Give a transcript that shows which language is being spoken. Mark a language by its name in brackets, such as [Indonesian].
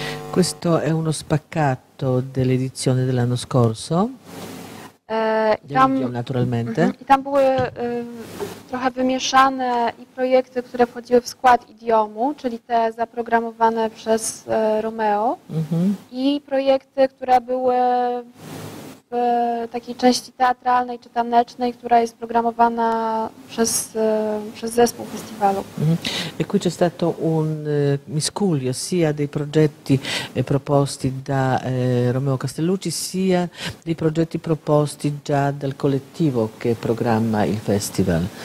[Italian] Questo è uno spaccato dell'edizione dell'anno scorso, naturalmente. [Polish] I tam były trochę wymieszane i projekty, które wchodziły w skład idiomu, czyli te zaprogramowane przez Romeo, i projekty, które były w takiej części teatralnej czy tanecznej, która jest programowana przez zespół festiwalu. [Italian] E qui c'è stato un miscuglio sia dei progetti proposti da Romeo Castellucci sia dei progetti proposti già dal collettivo che programma il festival.